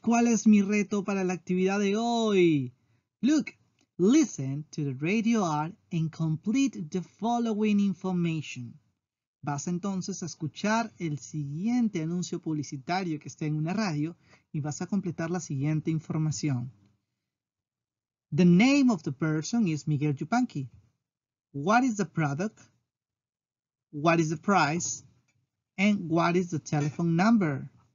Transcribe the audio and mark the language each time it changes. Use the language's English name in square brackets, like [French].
[Spanish] ¿Cuál es mi reto para la actividad de hoy? [English] Look, listen to the radio ad and complete the following information. [Spanish] Vas entonces a escuchar el siguiente anuncio publicitario que está en una radio y vas a completar la siguiente información. [English] The name of the person is Miguel Yupanqui. What is the product? What is the price? And what is the telephone number?